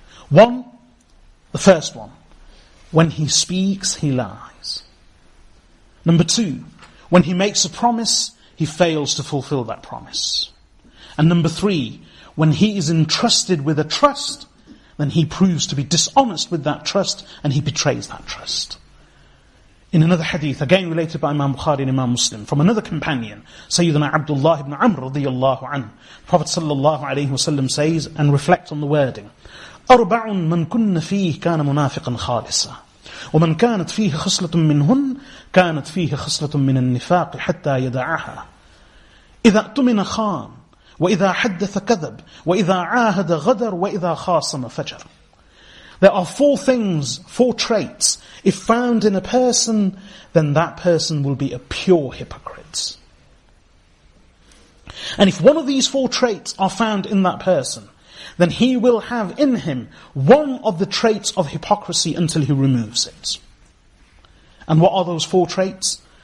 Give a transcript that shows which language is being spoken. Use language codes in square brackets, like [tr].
[en] One, the first one, when he speaks he lies. Number two, when he makes a promise he fails to fulfill that promise. And number three, when he is entrusted with a trust, then he proves to be dishonest with that trust and he betrays that trust. In another hadith, again related by Imam Bukhari and Imam Muslim, from another companion, Sayyidina Abdullah ibn Amr radiyallahu anhu, Prophet sallallahu alayhi wasallam says, and reflect on the wording, [ar] أَرْبَعٌ مَنْ كُنَّ فِيهِ كَانَ مُنَافِقًا خَالِصًا وَمَنْ كَانَتْ فِيهِ خَصْلَةٌ مِّنْهُنْ كَانَتْ فِيهِ خَصْلَةٌ مِّنَ النِّفَاقِ حَتَّى يَدَعَهَا إِذَا أَتُمِنَ خَانٌ وَإِذَا حَدَّثَ كَذَبْ وَإِذَا عَاهَدَ غَدَرْ وَإِذَا خَاصَمَ فَجَرْ. [en] There are four things, four traits. If found in a person, then that person will be a pure hypocrite. And if one of these four traits are found in that person, then he will have in him one of the traits of hypocrisy until he removes it. And what are those four traits?